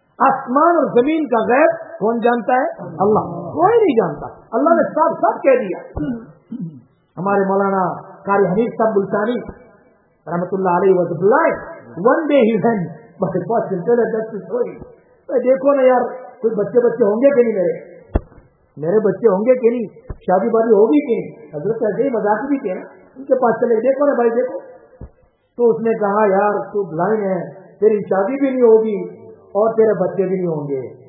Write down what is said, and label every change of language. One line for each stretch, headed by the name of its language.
Urdu: آسمان اور زمین کا غیب کون جانتا ہے؟ اللہ. کوئی نہیں جانتا. اللہ نے صاف صاف کہہ دیا. ہمارے مولانا قاری حنیف صاحب بلتانی رحمت اللہ علیہ
English: was blind. One day he went, but the fortune teller, that's the story.
Urdu: دیکھو نا یار, کوئی بچے بچے ہوں گے کہ نہیں میرے, میرے بچے ہوں گے کہ نہیں, شادی بادی ہوگی کہ نہیں. حضرت عزیز مذاق بھی کہنا, ان کے پاس چلے دیکھو نا بھائی دیکھو. تو اس نے کہا یار تو بلائن ہے, تیری شادی بھی نہیں ہوگی اور تیرے بچے بھی نہیں ہوں گے.